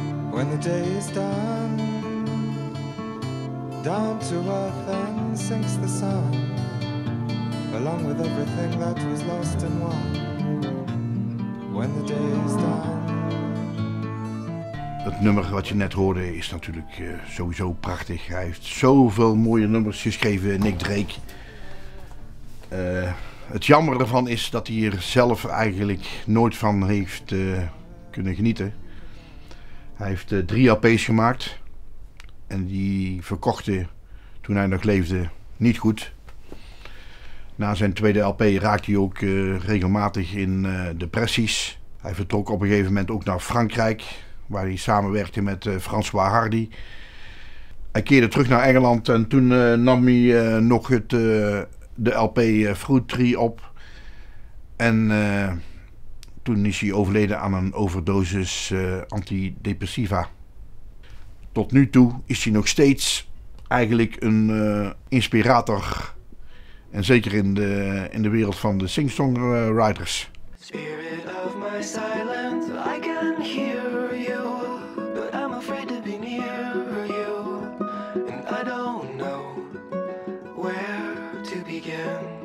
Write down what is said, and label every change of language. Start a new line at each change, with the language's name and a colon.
English: When the day is done, down to earth and sinks the sun, along with everything that was lost and won. When the day is done.
Dutch: Het nummer wat je net hoorde is natuurlijk sowieso prachtig. Hij heeft zoveel mooie nummers geschreven, Nick Drake. Het jammer ervan is dat hij er zelf eigenlijk nooit van heeft kunnen genieten. Hij heeft 3 LP's gemaakt en die verkochten toen hij nog leefde niet goed. Na zijn 2e LP raakte hij ook regelmatig in depressies. Hij vertrok op een gegeven moment ook naar Frankrijk, waar hij samenwerkte met François Hardy. Hij keerde terug naar Engeland en toen nam hij nog de LP Fruit Tree op. En toen is hij overleden aan een overdosis antidepressiva. Tot nu toe is hij nog steeds eigenlijk een inspirator. En zeker in de wereld van de singsongwriters.
English: Spirit of my silence, I can hear you. But I'm afraid to be near you. And I don't know where to begin.